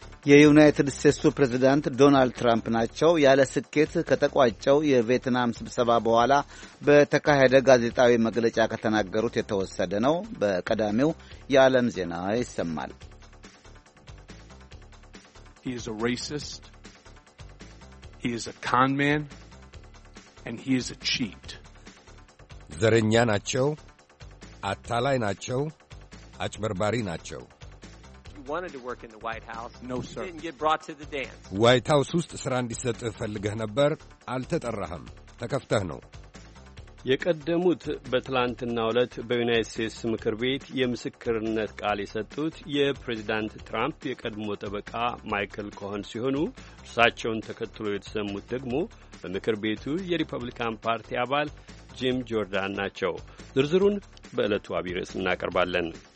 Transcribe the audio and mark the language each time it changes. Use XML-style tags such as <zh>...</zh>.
<am>የዩናይትድ ስቴትስ ፕሬዝዳንት ዶናልድ ትራምፕ ናቸው ያለ ስኬት ከተቋጨው የቪየትናም ስብሰባ በኋላ በተካሄደ ጋዜጣዊ መግለጫ ከተናገሩት የተወሰደ ነው። በቀዳሚው የዓለም ዜና ይሰማል።</am> <en>He is a racist. He is a con man and he is a cheat. ዘረኛ ናቸው፣ አታላይ ናቸው፣ አጭበርባሪ ናቸው። Wanted to work in the White House. No, sir. Didn't get brought to the dance.</en> <am>White House ውስጥ ስራ እንዲሰጥ ፈልገህ ነበር? አልተጠራህም። ተከፍተህ ነው። የቀደሙት በትላንትና ዕለት በዩናይትድ ስቴትስ ምክር ቤት የምስክርነት ቃል የሰጡት የፕሬዚዳንት ትራምፕ የቀድሞ ጠበቃ ማይክል ኮሆን ሲሆኑ እርሳቸውን ተከትሎ የተሰሙት ደግሞ በምክር ቤቱ የሪፐብሊካን ፓርቲ አባል ጂም ጆርዳን ናቸው። ዝርዝሩን በዕለቱ አብይ ርዕስ እናቀርባለን።</am>